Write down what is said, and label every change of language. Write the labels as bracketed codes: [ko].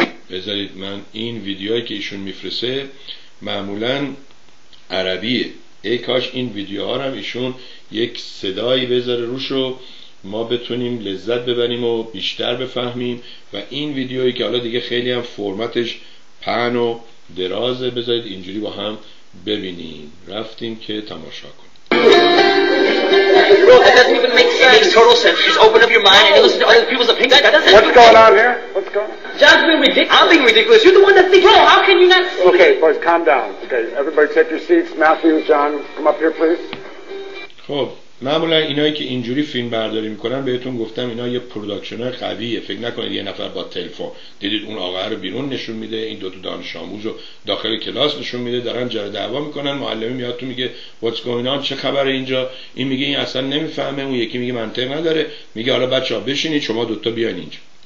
[fa] بذارید من این ویدیویی که ایشون میفرسه معمولا عربیه، ای کاش این ویدیوها هم ایشون یک صدایی بذاره روشو، ما بتونیم لذت ببریم و بیشتر بفهمیم. و این ویدیویی که حالا دیگه خیلی هم فرمتش پهن و درازه، بذارید اینجوری با هم ببینیم. رفتیم که تماشا کنیم. [en] Bro, that doesn't even make sense. It makes total sense. Just open up your mind and listen to other people's opinions. That doesn't. What's going on here? What's going? John's being ridiculous. I'm being ridiculous. You're the one that thinks. Bro, how can you not? Okay, boys, calm down. Okay, everybody, take your seats. Matthew, John, come up here, please. Cool. [fa] معمولا اینایی که اینجوری فیلم برداری میکنن، بهتون گفتم اینا یه پروداکشنر قویه، فکر نکنید یه نفر با تلفن دیدید اون آقا رو بیرون نشون میده، این دوتا دانش آموز رو داخل کلاس نشون میده، دارن جر دعوا میکنن، معلمی میاد تو میگه [en] what's going on, [fa] چه خبره اینجا، این میگه این اصلا نمیفهمه، اون یکی میگه منطق نداره، میگه حالا بچه‌ها بشینید شما دوتا بیاین اینجا.